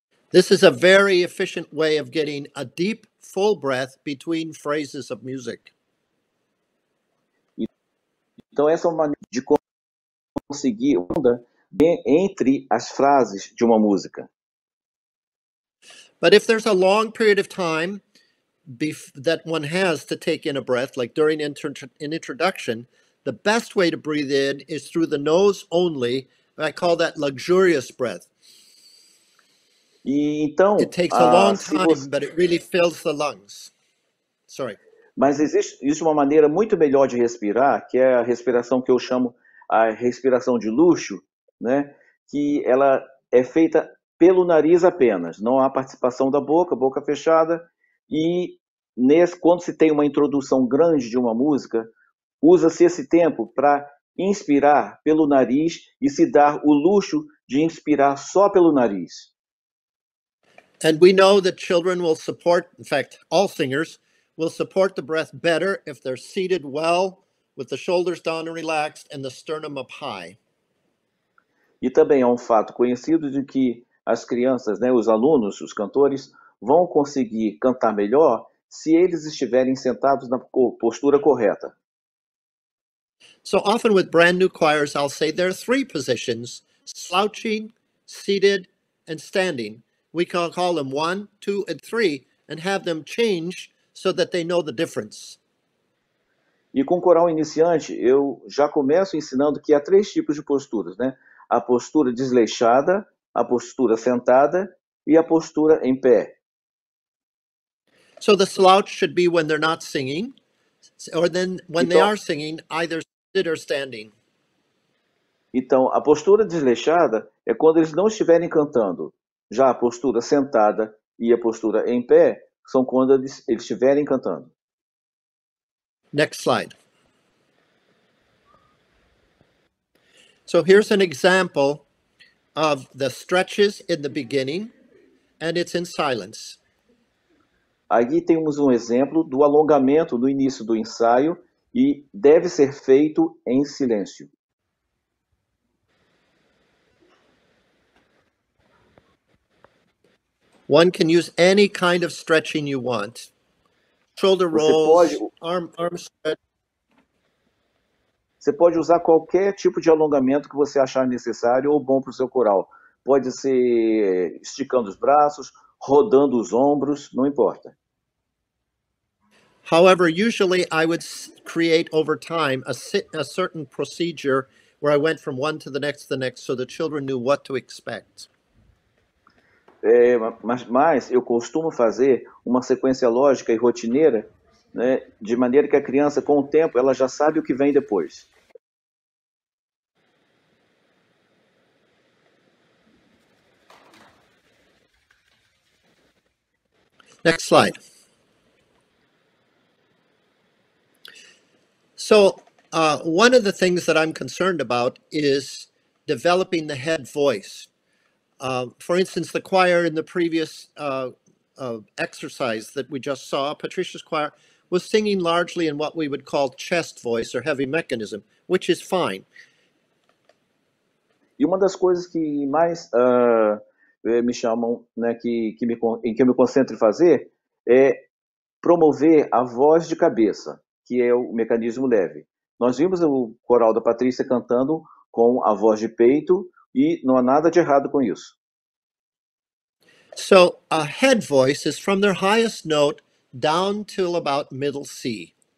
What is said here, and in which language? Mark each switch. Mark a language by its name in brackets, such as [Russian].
[English] This is a very efficient way of getting a deep, full breath between phrases of music. [Portuguese] Então, essa é uma maneira de conseguir onda entre as frases de uma música. [English] But if there's a long period of time that one has to take in a breath, like during an introduction, the best way to breathe in is through the nose only, and I call that luxurious breath. [Portuguese] E então, [English] it takes a long time, but it really fills the lungs. Sorry. [Portuguese] Mas existe uma maneira muito melhor de respirar, que é a respiração que eu chamo a respiração de luxo, né? Que ela é feita pelo nariz apenas, não há participação da boca, boca fechada. E quando se tem uma introdução grande de uma música, usa-se esse tempo para inspirar pelo nariz e se dar o luxo de inspirar só pelo nariz. [English] And we know that children will support, in fact, all singers will support the breath better if they're seated well, with the shoulders down and relaxed, and the sternum up high. [Portuguese] E também é um fato conhecido de que as crianças, né, os alunos, os cantores, vão conseguir cantar melhor se eles estiverem sentados na postura correta. [English] So often with brand new choirs, I'll say there are three positions: slouching, seated, and standing. We can call them 1, 2, and 3 and have them change so that they know the difference. [Portuguese] E com coral iniciante, eu já começo ensinando que há três tipos de posturas, né? A postura desleixada, a postura sentada e a postura em pé. [English] So the slouch should be when they're not singing, or then when they are singing, either sit or standing. [Portuguese] Então, a postura desleixada é quando eles não estiverem cantando. Já a postura sentada e a postura em pé são quando eles estiverem cantando. [English] Next slide. So here's an example of the stretches in the beginning, and it's in silence. [Portuguese] Aqui temos um exemplo do alongamento no início do ensaio e deve ser feito em silêncio. [English] One can use any kind of stretching you want. Shoulder rolls, arm stretch. [Portuguese] Você pode usar qualquer tipo de alongamento que você achar necessário ou bom para o seu coral. Pode ser esticando os braços, rodando os ombros, não importa. [English] However, usually I would create over time a certain procedure where I went from one to the next so the children knew what to expect. [Portuguese] Mas eu costumo fazer uma sequência lógica e rotineira, né, de maneira que a criança, com o tempo, ela já sabe o que vem depois. [English] Next slide. So, one of the things that I'm concerned about is developing the head voice. For instance, the choir in the previous exercise that we just saw, Patricia's choir, was singing largely in what we would call chest voice or heavy mechanism, which is fine. [Portuguese] E uma das coisas que mais me chamam, né, que me concentro em fazer, é promover a voz de cabeça, que é o mecanismo leve. Nós vimos o coral da Patrícia cantando com a voz de peito e não há nada de errado com isso. [English] So, a head voice is from their highest note down to about middle C.